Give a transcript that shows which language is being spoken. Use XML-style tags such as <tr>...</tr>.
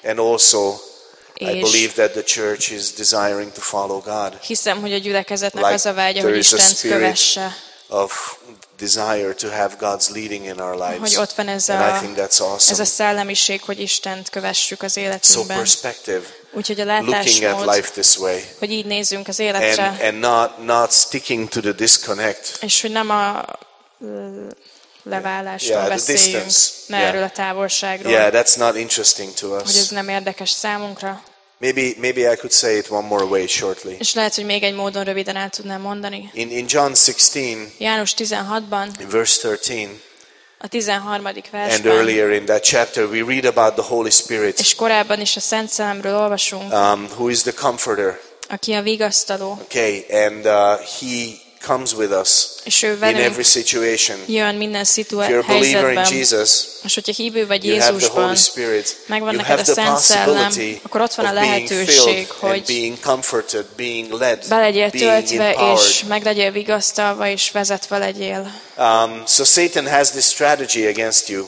<en>And also I believe that the church is desiring to follow God.</en> <hu>Hiszem, hogy a gyülekezetnek az a vágya, hogy Istent kövesse.</hu> <en>Of desire to have God's leading in our lives.</en> <hu>Hogy ott van ez</hu> <en>and</en> <hu>a,</hu> <en>I think that's awesome.</en> <hu>Ez a szellemiség, hogy Istent kövessük az életünkben.</hu> <en>So perspective.</en> <hu>Úgyhogy a látásmód, hogy így nézzünk az életre.</hu> <en>And not sticking to the disconnect.</en> <hu>És hogy nem a leválásról beszéljünk, ne erről a távolságról.</hu> <en>Yeah, that's not interesting to us.</en> <hu>Hogy ez nem érdekes számunkra.</hu> <en>Maybe I could say it one more way shortly.</en> <hu>És lehet, hogy még egy módon röviden el tudnám mondani.</hu> <en>In John 16,</en> <hu>János 16-ban,</hu> <en>verse 13,</en> <hu>a 13. versben,</hu> <en>and earlier in that chapter we read about the Holy Spirit,</en> <hu>és korábban is a Szent Szellemről olvasunk,</hu> <en>who is the comforter,</en> <hu>aki a vigasztaló.</hu> <en>Okay, and he comes with us in every situation.</en> <hu>Jön minden situáció.</hu> <en>If you're a believer in Jesus,</en> <hu>és hogyha hívő vagy Jézusban, megvan neked a Szent Szellem, akkor ott van a lehetőség, hogy</hu> <en>being comforted, being led,</en> <hu>be legyél töltve, és meg legyél vigasztalva, és vezetve legyél.</hu> <en>So Satan has this strategy against you.</en>